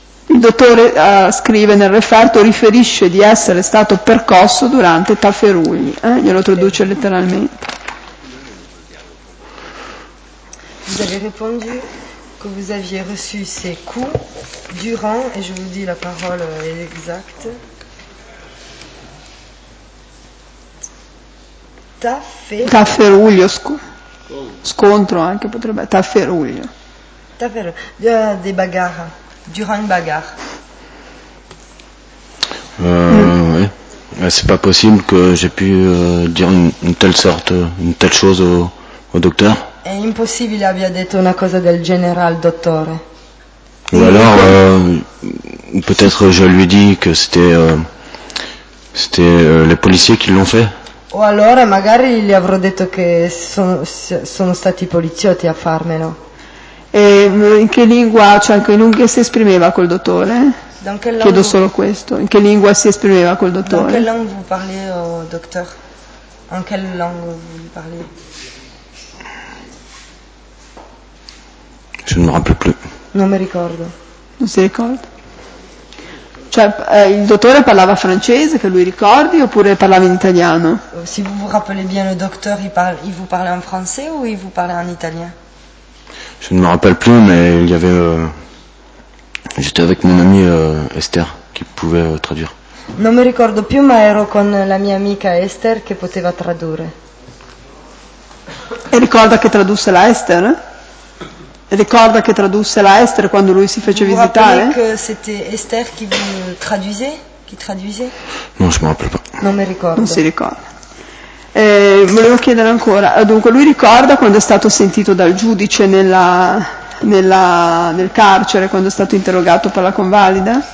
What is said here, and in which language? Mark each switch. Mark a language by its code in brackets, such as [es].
[it] Il dottore scrive nel referto, riferisce di essere stato percosso durante tafferugli, glielo traduce letteralmente. [fr] Vous avez répondu que vous aviez reçu ces coups durant, et je vous dis la parole exacte. [it] Tafferuglio, scontro anche potrebbe essere, tafferuglio. [fr] Tafferuglio, des bagarres, durant une bagarre. Ouais. C'est pas possible que j'ai pu dire une telle chose au docteur. [it] È impossibile abbia detto una cosa del genere al dottore. [fr] Ou alors, peut-être je lui dis que c'était les policiers qui l'ont fait. [it] O allora magari gli avrò detto che sono stati i poliziotti a farmelo. E in che lingua, cioè in un, che si esprimeva col dottore? Chiedo solo questo. In che lingua si esprimeva col dottore? In che lingua [fr] vous parlez, docteur? [it] In che lingua [fr] vous parlez? Je ne me rappelle plus. [it] Non mi ricordo. Non si ricorda? Cioè, il dottore parlava francese, che lui ricordi, oppure parlava in italiano? [fr] Se vous vous rappelez bien, le docteur, il vous parlait en français ou il vous parlait en italien? Je ne me rappelle plus, mais il y avait... j'étais avec mon amie Esther, qui pouvait traduire. [it] Non mi ricordo più, ma ero con la mia amica Esther, che poteva tradurre. E ricorda che tradusse la Esther, eh? Ricorda che tradusse la Esther quando lui si fece visitare? Che [fr] c'était Esther qui traduisait, qui traduisait? Non, je me rappelle pas. [it] Non mi ricordo. Non si ricorda. Volevo chiedere ancora. Dunque, lui ricorda quando è stato sentito dal giudice nel carcere, quando è stato interrogato per la convalida?